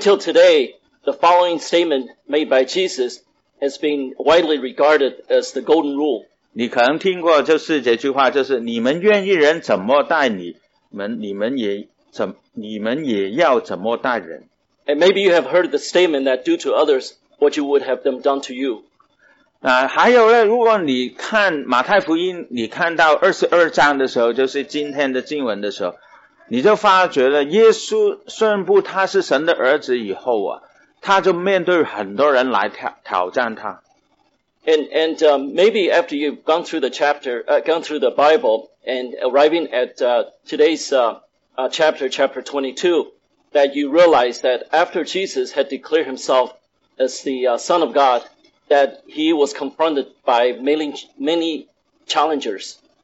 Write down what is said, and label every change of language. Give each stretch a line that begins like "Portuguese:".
English: till today, the following statement made by Jesus has been widely regarded as the golden rule.
Chinese: 你可能听过就是这句话，就是你们愿意人怎么待你们，你们也要怎么待人。
English: And maybe you have heard the statement that do to others what you would have them done to you.
Chinese: 还有呢，如果你看马太福音，你看到22章的时候，就是今天的经文的时候，你就发觉了耶稣宣布他是神的儿子以后啊，他就面对很多人来挑战他。
English: And maybe after you've gone through the chapter, gone through the Bible, and arriving at today's chapter 22, that you realize that after Jesus had declared himself as the Son of God, that he was confronted by many challengers.